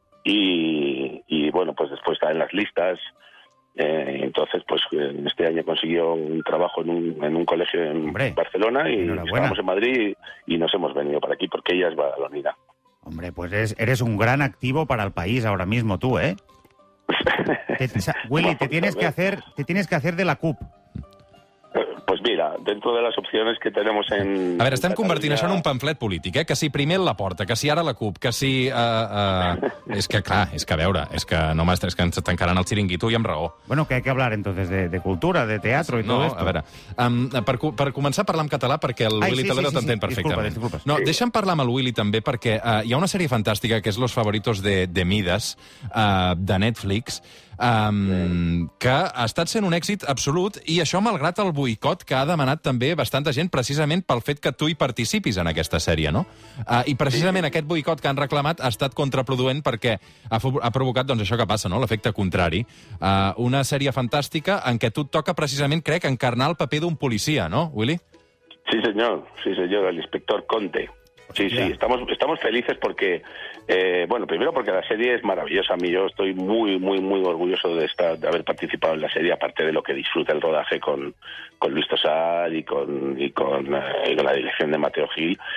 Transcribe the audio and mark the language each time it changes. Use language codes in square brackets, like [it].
[es] Y bueno, pues después está en las listas. Entonces, pues este año consiguió un trabajo en un colegio en Barcelona y estábamos en Madrid y nos hemos venido para aquí porque ella es badalonina. Hombre, pues eres un gran activo para el país ahora mismo tú, ¿eh? Willy, te tienes que hacer de la CUP. Pues mira, dentro de las opciones que tenemos en... [ca] A veure, estem convertint això en un pamflet polític, eh? Que si primer la porta, que si ara la CUP, que si... És que, clar, és que a veure, és que no m'estres, és que ens tancaran el xiringuito i amb raó. [es] Bueno, que hay que hablar entonces de cultura, de teatro y no, todo esto. [ca] No, a veure, per començar a parlar en català, perquè el Willy Toledo t'entén perfectament. [es] Disculpa. No, sí. [ca] Deixa'm parlar amb el Willy també, perquè hi ha una sèrie fantàstica que és Los Favoritos de Midas, de Netflix... que ha estat sent un èxit absolut, i això malgrat el boicot que ha demanat també bastanta gent precisament pel fet que tu hi participis en aquesta sèrie, no? I precisament aquest boicot que han reclamat ha estat contraproduent perquè ha provocat, doncs, això que passa, no? L'efecte contrari. Una sèrie fantàstica en què tu et toca precisament, crec, encarnar el paper d'un policia, no, Willy? Sí, senyor. Sí, senyor, l'inspector Conte. [es] Sí, sí, estamos felices porque, bueno, primero porque la serie es maravillosa. A mí, yo estoy muy, muy, muy orgulloso de haber participado en la serie, aparte de lo que disfruta el rodaje con Luis Tosar y con la dirección de Mateo Gil.